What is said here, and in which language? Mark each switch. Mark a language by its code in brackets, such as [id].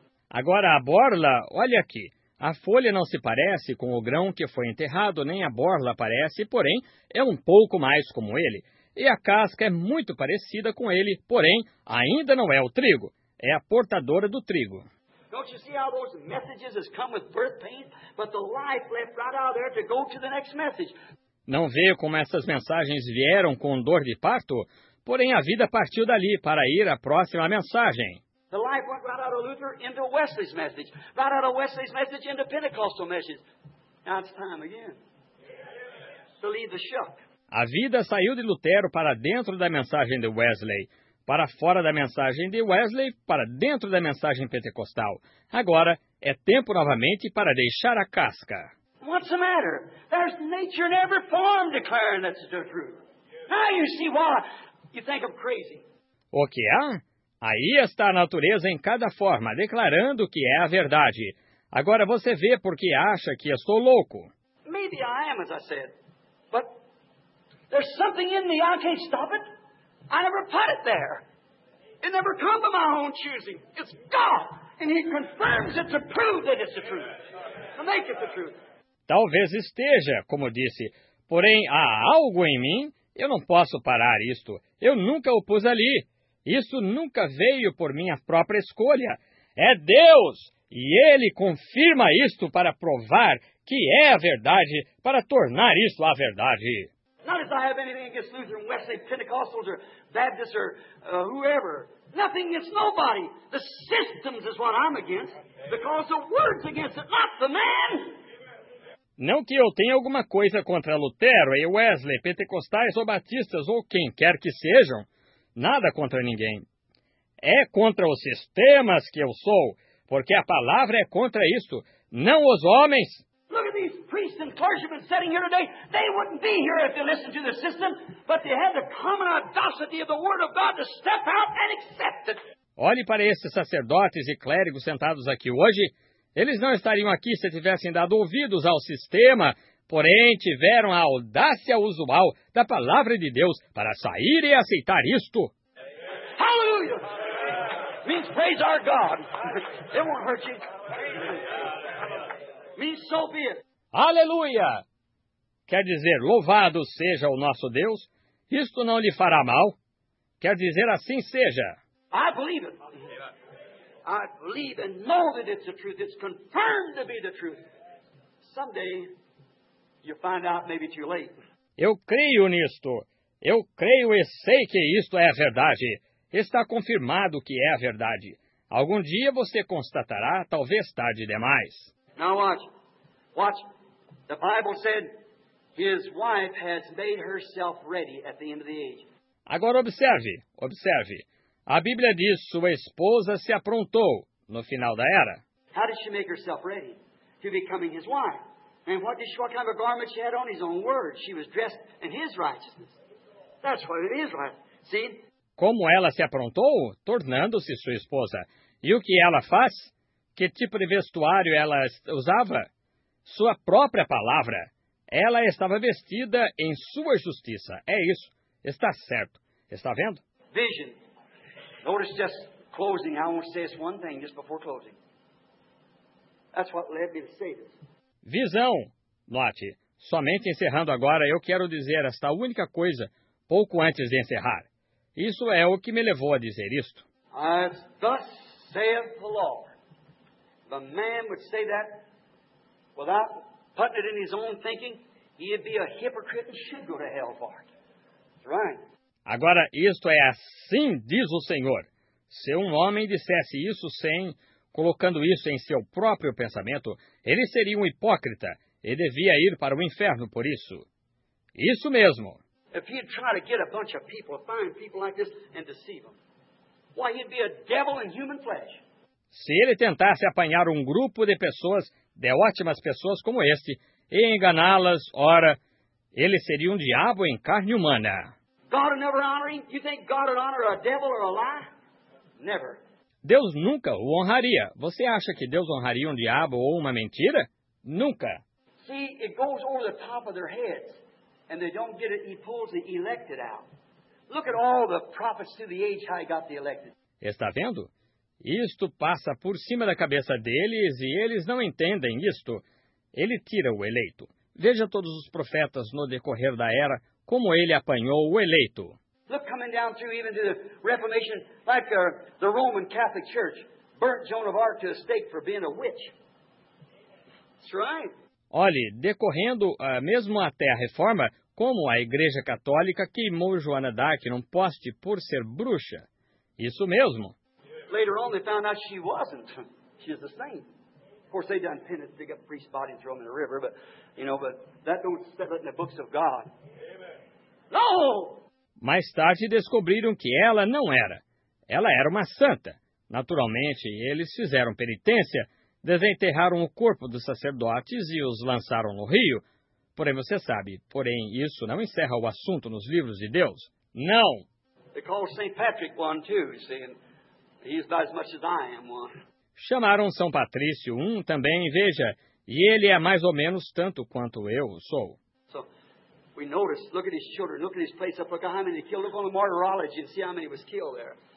[pt] Agora, a borla, olha aqui, a folha não se parece com o grão que foi enterrado, nem a borla parece, porém, é um pouco mais como ele. E a casca é muito parecida com ele, porém, ainda não é o trigo, é a portadora do trigo. [en] Don't you see how those messages has come with birth pain, but the life left right out there to go to the next message? [pt] Não vê como essas mensagens vieram com dor de parto? Porém, a vida partiu dali para ir à próxima mensagem. [en] The life went right out of Luther into Wesley's message. Right out of Wesley's message into Pentecostal message. Now it's time again. To leave the shuck. [pt] A vida saiu de Lutero para dentro da mensagem de Wesley, para fora da mensagem de Wesley, para dentro da mensagem pentecostal. Agora é tempo novamente para deixar a casca. [en] What's the matter? There's nature in every form declaring that's the truth. Now you see why you think I'm crazy. [pt] O que há? Aí está a natureza em cada forma, declarando que é a verdade. Agora você vê porque acha que estou louco. [en] Maybe I am, as I said. But there's something in me, I can't stop it. I never put it there. It never come by my own choosing. It's God, and he confirms it to prove that it's the truth. To make it the truth. [pt] Talvez esteja, como disse. Porém, há algo em mim, eu não posso parar isto. Eu nunca o pus ali. Isso nunca veio por minha própria escolha. É Deus! E Ele confirma isto para provar que é a verdade, para tornar isso a verdade. [en] Not as I have anything against Lutheran, Wesley, Pentecostals, or Baptists, or whoever. Nothing against nobody. The systems is what I'm against. Because the word's against it, not the man. [pt] Não que eu tenha alguma coisa contra Lutero e Wesley, Pentecostais ou Batistas, ou quem quer que sejam. Nada contra ninguém. É contra os sistemas que eu sou, porque a palavra é contra isso, não os homens. [en] Look at these priests and clergymen sitting here today. They wouldn't be here if they listened to the system, but they had the common audacity of the word of God to step out and accept it. [pt] Olhe para esses sacerdotes e clérigos sentados aqui hoje. Eles não estariam aqui se tivessem dado ouvidos ao sistema. Porém, tiveram a audácia usual da palavra de Deus para sair e aceitar isto. [en] Aleluia! Means praise our God. It won't hurt you. Means so be it. [pt] Aleluia! Quer dizer, louvado seja o nosso Deus. Isto não lhe fará mal. Quer dizer, assim seja. [en] I believe it. I believe and know that it's the truth. It's confirmed to be the truth. Someday. You'll find out maybe too late. [pt] Eu creio nisto. Eu creio e sei que isto é a verdade. Está confirmado que é a verdade. Algum dia você constatará, talvez tarde demais. [en] Now watch. Watch. The Bible said his wife has made herself ready at the end of the age. [pt] Agora observe. Observe. A Bíblia diz sua esposa se aprontou no final da era. [en] How did she make herself ready? to becoming his wife. And what kind of garment she had on? His own words. She was dressed in his righteousness. That's what it is, right? See? [pt] Como ela se aprontou, tornando-se sua esposa. E o que ela faz? Que tipo de vestuário ela usava? Sua própria palavra. Ela estava vestida em sua justiça. É isso. Está certo. Está vendo? [en] Vision. Notice just closing. I want to say this one thing just before closing. That's what led me to say this. [pt] Visão. Note. Somente encerrando agora, eu quero dizer esta única coisa pouco antes de encerrar. Isso é o que me levou a dizer isto. [en] As thus saith the Lord. The man would say that without putting it in his own thinking, he'd be a hypocrite and should go to hell for it. That's right. [pt] Agora, isto é assim, diz o Senhor. Se um homem dissesse isso sem colocando isso em seu próprio pensamento, ele seria um hipócrita e devia ir para o inferno por isso. Isso mesmo. [en] If he'd try to get a bunch of people, find people like this and deceive them, why, he'd be a devil in human flesh. [pt] Se ele tentasse apanhar um grupo de pessoas, de ótimas pessoas como este, e enganá-las, ora, ele seria um diabo em carne humana. [en] God would never honor him? You think God would honor a devil or a lie? Never. [pt] Deus nunca o honraria. Você acha que Deus honraria um diabo ou uma mentira? Nunca. [en] See, it goes over the top of their heads, and they don't get it, he pulls the elected out. Look at all the prophets through the age how he got the elected. [pt] Está vendo? Isto passa por cima da cabeça deles e eles não entendem isto. Ele tira o eleito. Veja todos os profetas no decorrer da era, como ele apanhou o eleito. [en] Look, coming down through even to the Reformation, like the Roman Catholic Church burnt Joan of Arc to a stake for being a witch. That's right. [pt] Olhe, decorrendo mesmo até a Reforma, como a Igreja Católica queimou Joana d'Arc num poste por ser bruxa. Isso mesmo. [en] Later on, they found out she wasn't. She was a saint. Of course, they done penance, dig up priest's body and throw him in the river. But, you know, but that don't settle it in the books of God. Amen. No! [pt] Mais tarde, descobriram que ela não era. Ela era uma santa. Naturalmente, eles fizeram penitência, desenterraram o corpo dos sacerdotes e os lançaram no rio. Porém, você sabe, porém, isso não encerra o assunto nos livros de Deus. Não! [en] They call St. Patrick one, too, you see, and he's about as much as I am one. [pt] Chamaram São Patrício um também, veja, e ele é mais ou menos tanto quanto eu sou. [en] So, we notice, look at his children, look at his place up, look at how many he killed, look on the martyrology and see how many was killed there.